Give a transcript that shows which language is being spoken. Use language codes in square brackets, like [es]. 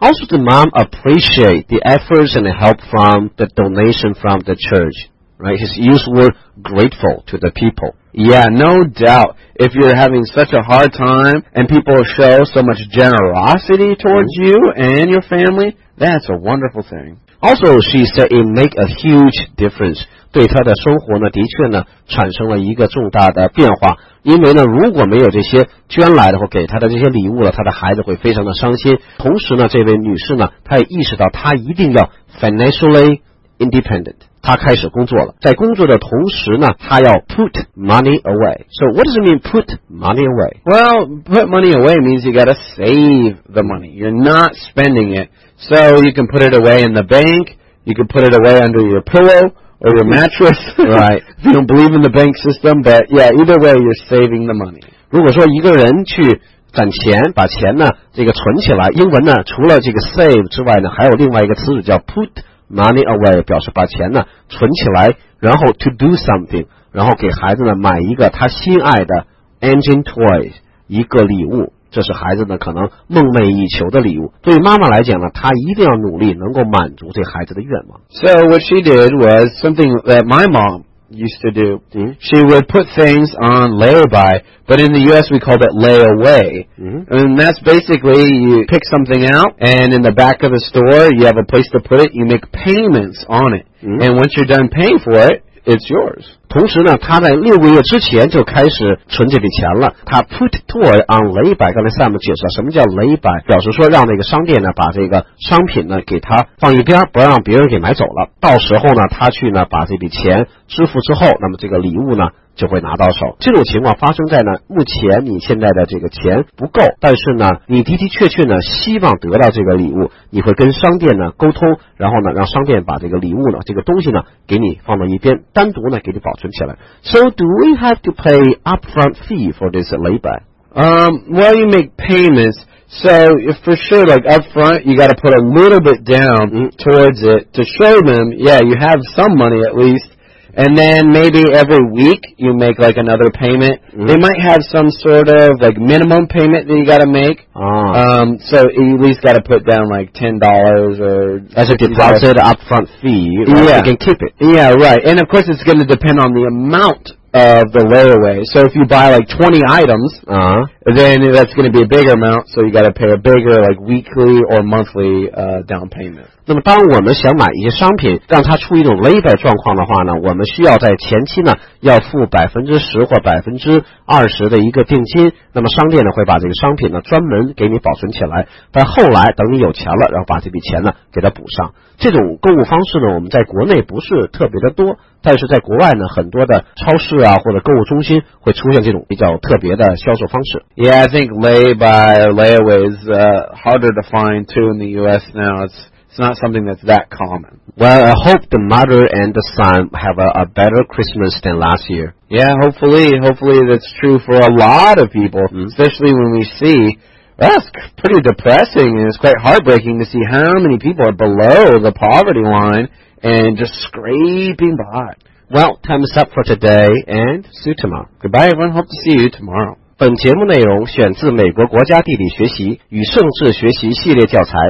[en] How should the mom appreciate the efforts and the help from the donation from the church? Right, his use word grateful to the people. Yeah, no doubt. If you're having such a hard time and people show so much generosity towards you and your family, that's a wonderful thing. Also, she said it make a huge difference. [zh] 对她的生活呢，的确呢，产生了一个重大的变化。因为呢，如果没有这些捐来的或给她的这些礼物了，她的孩子会非常的伤心。同时呢，这位女士呢，她也意识到她一定要 [en] financially independent。 [zh] 他开始工作了，在工作的同时呢，他要 [en] put money away. So what does it mean put money away? Well, put money away means you gotta save the money. You're not spending it. So you can put it away in the bank, you can put it away under your pillow or your mattress. Right. If you don't believe in the bank system, but yeah, either way, you're saving the money. [zh] 如果说一个人去攒钱，把钱呢这个存起来，英文呢除了这个 save 之外呢，还有另外一个词组叫 [en] put money away， [zh] 表示把钱呢存起来，然后 [en] to do something， [zh] 然后给孩子呢买一个他心爱的 [en] engine toys [zh] 一个礼物，这是孩子呢可能梦寐以求的礼物。对于妈妈来讲呢，她一定要努力能够满足这孩子的愿望。 [en] So what she did was something that my mom used to do. Mm-hmm. She would put things on layaway, but in the U.S. we called it layaway. Mm-hmm. And that's basically you pick something out, and in the back of the store you have a place to put it, you make payments on it. Mm-hmm. And once you're done paying for it, it's yours. [zh] 同时呢，他在六个月之前就开始存这笔钱了。他 [en] put toy on layaway， [zh] 刚才 Sam 解释了什么叫 layaway， 表示说让那个商店呢把这个商品呢给他放一边，不让别人给买走了。到时候呢，他去呢把这笔钱支付之后，那么这个礼物呢就会拿到手。这种情况发生在呢目前你现在的这个钱不够，但是呢你的的确确呢希望得到这个礼物，你会跟商店呢沟通，然后呢让商店把这个礼物呢这个东西呢给你放到一边，单独呢给你保存起来。 [en] So do we have to pay upfront fee for this labor? Well, you make paymentsSo, if for sure, like up front, you got to put a little bit down towards it to show them, yeah, you have some money at least. And then maybe every week you make like another payment. They might have some sort of like minimum payment that you got to make. So you at least got to put down like $10 or... As a deposit up front fee, right? You can keep it. Yeah, right. And of course, it's going to depend on the amount. Of the layaway. So if you buy like 20 items, then that's going to be a bigger amount, so you got to pay a bigger like weekly or monthly down payment. [zh] 那么当我们想买一些商品，让它出一种 layaway 状况的话呢，我们需要在前期呢要付10%或20%的一个定金，那么商店呢会把这个商品呢专门给你保存起来，但后来等你有钱了，然后把这笔钱呢给它补上。这种购物方式呢，我们在国内不是特别的多，但是在国外呢，很多的超市啊或者购物中心会出现这种比较特别的销售方式。 [en] Yeah, I think layaway is harder to find too in the U.S. now. It's not something that's that common. Well, I hope the mother and the son have a better Christmas than last year. Yeah, hopefully that's true for a lot of people, especially when we see... That's pretty depressing, and it's quite heartbreaking to see how many people are below the poverty line and just scraping by. Well, time is up for today, and see you tomorrow. Goodbye, everyone. Hope to see you tomorrow. [zh] 本节目内容选自美国国家地理学习与政治学习系列教材。